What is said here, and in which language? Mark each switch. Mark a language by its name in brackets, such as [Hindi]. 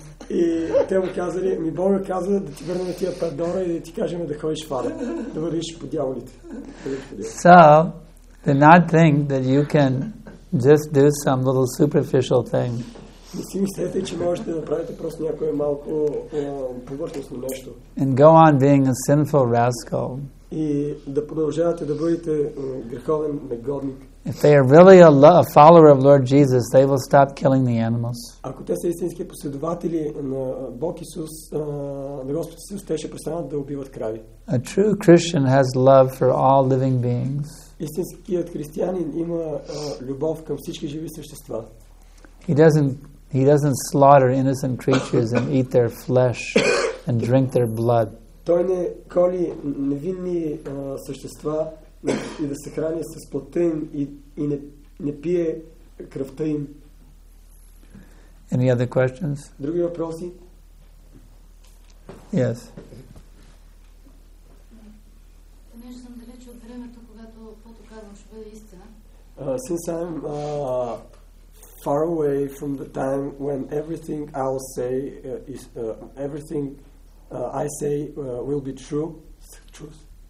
[Bulgarian] И те му казали, ми Бог казва да ти върнем тия $5 и да ти кажем да ходиш в ада, да вървиш по дяволите. [English] So, do not think that you can just do some little superficial thing. [Bulgarian] Не си мислете, че можете да направите просто някое малко повърхностно нещо. [English] And go on being a sinful rascal. [Bulgarian] И да продължавате да бъдете греховен негодник. [English] If they are really a follower of Lord Jesus, they will stop killing the animals. [Bulgarian] Ако те са истински последователи на Бог Исус, на Господ Исус, те ще престанат да убиват крави. [English] A true Christian has love for all living beings. [Bulgarian] Истинският християнин има любов към всички живи същества. [English] He doesn't slaughter innocent creatures and eat their flesh and drink their blood. [Bulgarian] Той не коли невинни същества и да се храни с плътта им и не пие кръвта им. [English] Any other questions? [Bulgarian] Други въпроси? [English] Yes. [Bulgarian] Понеже съм далеч от времето, когато каквото казвам ще бъде истина. [English] Since I'm far away from the time when everything I'll say is everything I say will be true. Truth.